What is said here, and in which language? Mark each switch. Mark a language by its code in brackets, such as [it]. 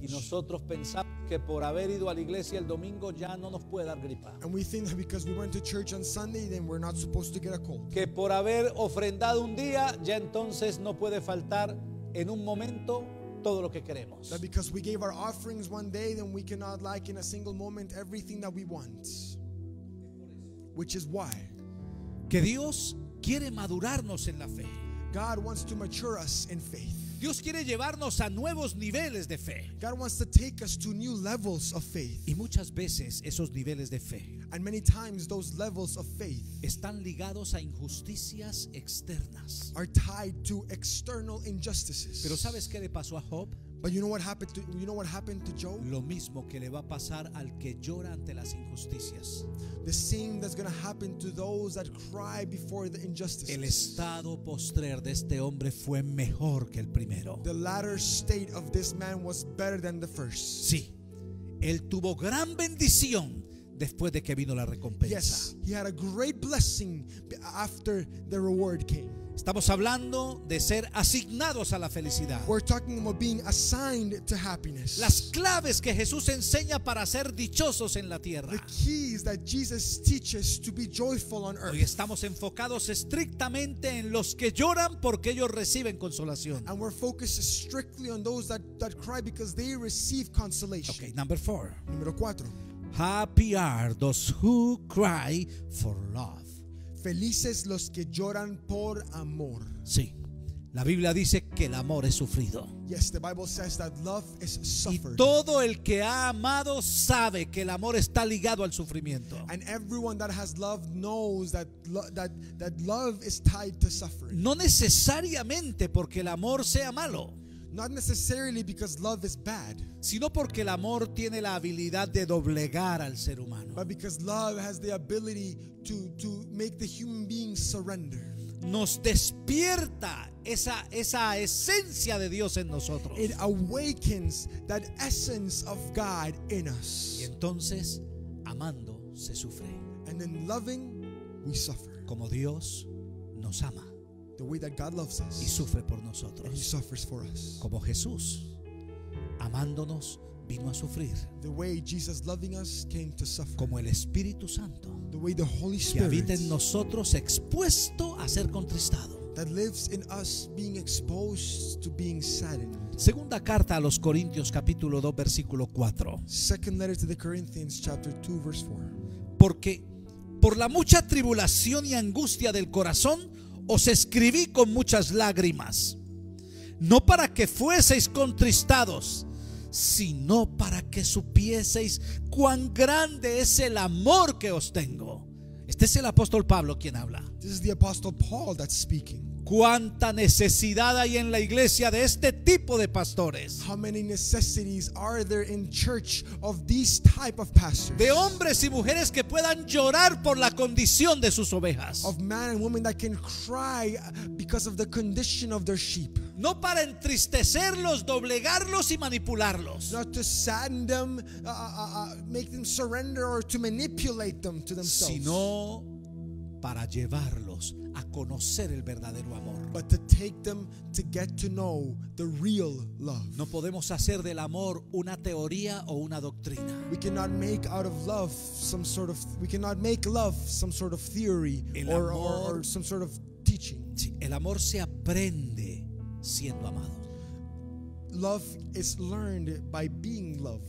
[es] Y nosotros pensamos que por haber ido a la iglesia el domingo ya no nos puede dar gripa. [en] And we think that because we went to church on Sunday, then we're not supposed to get a cold. [es] Que por haber ofrendado un día ya entonces no puede faltar en un momento todo lo que queremos. [en] That because we gave our offerings one day, then we cannot like in a single moment everything that we want. Which is why. [es] Que Dios quiere madurarnos en la fe. [en] God wants to mature us in faith. [es] Dios quiere llevarnos a nuevos niveles de fe. [en] God wants to take us to new levels of faith. [es] Y muchas veces esos niveles de fe, [en] and many times those levels of faith, [es] están ligados a injusticias externas, [en] are tied to external injustices. [es] Pero ¿sabes qué le pasó a Job? [en] But you know what happened to Job? [es] Lo mismo que le va a pasar al que llora ante las injusticias. [en] The same that's going to happen to those that cry before the injustices. [es] El estado postrer de este hombre fue mejor que el primero. [en] The latter state of this man was better than the first. [es] Sí. Él tuvo gran bendición después de que vino la recompensa. [en] Yes, he had a great blessing after the reward came. [es] Estamos hablando de ser asignados a la felicidad. [en] We're talking about being assigned to happiness. [es] Las claves que Jesús enseña para ser dichosos en la tierra. [en] The keys that Jesus teaches to be joyful on earth. [es] Hoy estamos enfocados estrictamente en los que lloran porque ellos reciben consolación. [en] And we're focused strictly on those that cry because they receive consolation. Okay, number four. [es] Número cuatro. [en] Happy are those who cry for love. [es] Felices los que lloran por amor. Sí. La Biblia dice que el amor es sufrido. [en] Yes, the Bible says that love is suffered. [es] Y todo el que ha amado sabe que el amor está ligado al sufrimiento. [en] And everyone that has loved knows that that love is tied to suffering. [es] No necesariamente porque el amor sea malo. [en] Not necessarily because love is bad, [es] sino porque el amor tiene la habilidad de doblegar al ser humano. [en] But because love has the ability to make the human being surrender. [es] Nos despierta esa esencia de Dios en nosotros. [en] It awakens that essence of God in us. [es] Y entonces, amando, se sufre. [en] And in loving, we suffer. [es] Como Dios nos ama. [en] The way that God loves us. [es] Y sufre por nosotros. [en] And he suffers for us. [es] Como Jesús, amándonos, vino a sufrir. [en] The way Jesus loving us came to suffer. [es] Como el Espíritu Santo. [en] The way the Holy Spirit. [es] Que habita en nosotros expuesto a ser contristado. [en] That lives in us being exposed to being saddened. [es] Segunda carta a los Corintios capítulo 2 versículo 4. [en] Second letter to the Corinthians chapter 2 verse 4. [es] Porque por la mucha tribulación y angustia del corazón os escribí con muchas lágrimas, no para que fueseis contristados, sino para que supieseis cuán grande es el amor que os tengo. Este es el apóstol Pablo quien habla. [en] This is the apostle Paul that's speaking. [es] Cuánta necesidad hay en la iglesia de este tipo de pastores. [en] How many necessities are there in church of these type of pastors? [es] De hombres y mujeres que puedan llorar por la condición de sus ovejas. [en] Of men and women that can cry because of the condition of their sheep. [es] No para entristecerlos, doblegarlos y manipularlos. [en] Not to sadden them, make them surrender or to manipulate them to themselves. [es] Sino para llevarlos a conocer el verdadero amor. [en] But to take them to get to know the real love. [es] No podemos hacer del amor una teoría o una doctrina. [en] We cannot make out of love some sort of theory or some sort of teaching. [es] Sí, el amor se aprende siendo amado. [en] Love is learned by being loved.